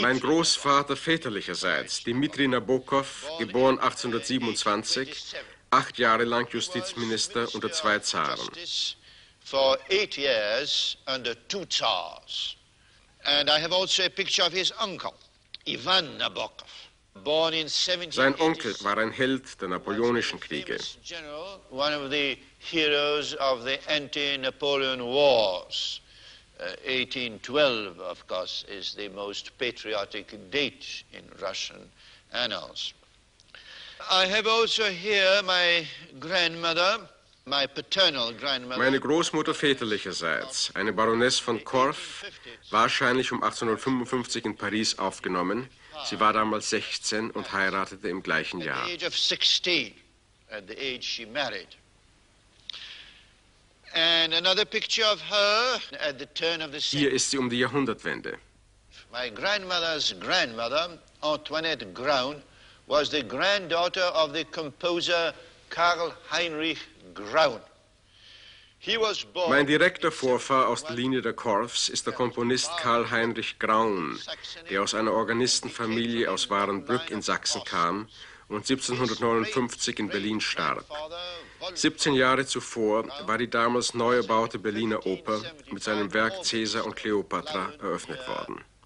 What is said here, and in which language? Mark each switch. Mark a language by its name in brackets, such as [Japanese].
[German] Mein Großvater väterlicherseits, Dmitri Nabokov, geboren 1827, 8 Jahre lang Justizminister unter 2 Zaren. [English] For 8 years under 2 Tsars. And I have also a picture of his uncle, Ivan Nabokov. [German] Sein Onkel war ein Held der napoleonischen Kriege. [English] One of the heroes of the anti-Napoleon Wars. 1812, of course, is the most patriotic date in Russian annals. I have also here my grandmother, my paternal grandmother. [German] Meine Großmutter väterlicherseits, eine Baroness von Korff, wahrscheinlich um 1855 in Paris aufgenommen. Sie war damals 16 und heiratete im gleichen Jahr. [English] At the age of 16, at the age she married. And another picture of her at the turn of the century. [German] Hier ist sie um die Jahrhundertwende. [English] My grandmother's grandmother, Antoinette Graun, was the granddaughter of the composer Karl Heinrich Graun. [German] Mein direkter Vorfahr aus der Linie der Korffs ist der Komponist Karl Heinrich Graun, der aus einer Organistenfamilie aus Warenbrück in Sachsen kam und 1759 in Berlin starb. 17 Jahre zuvor war die damals neu erbaute Berliner Oper mit seinem Werk Cäsar und Kleopatra eröffnet worden.